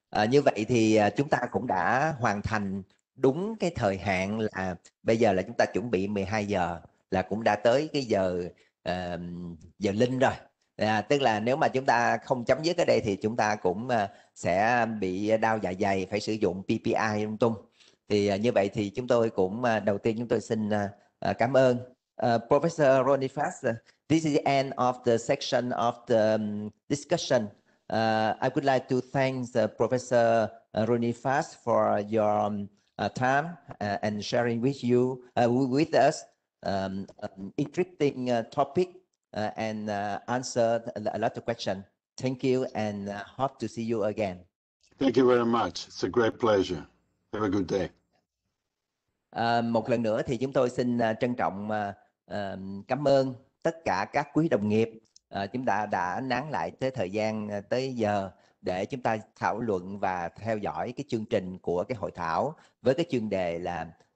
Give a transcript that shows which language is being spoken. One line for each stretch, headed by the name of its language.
Vietnamese: Như vậy thì chúng ta cũng đã hoàn thành đúng cái thời hạn, là bây giờ là chúng ta chuẩn bị 12 giờ là cũng đã tới cái giờ linh rồi. Tức là nếu mà chúng ta không chấm dứt ở đây thì chúng ta cũng sẽ bị đau dạ dày, phải sử dụng PPI lung tung. Thì như vậy thì chúng tôi cũng đầu tiên chúng tôi xin cảm ơn Professor Roniphas.
English: This is the end of the section of the discussion. I would like to thank Professor Roniphas for your time and sharing with you with us interesting topic and answer a lot of questions. Thank you and hope to see you again. Thank you very much. It's a great pleasure. Have a good day.
Vietnamese: Một lần nữa thì chúng tôi xin trân trọng cảm ơn tất cả các quý đồng nghiệp chúng ta đã nán lại tới thời gian tới giờ để chúng ta thảo luận và theo dõi cái chương trình của cái hội thảo với cái chuyên đề là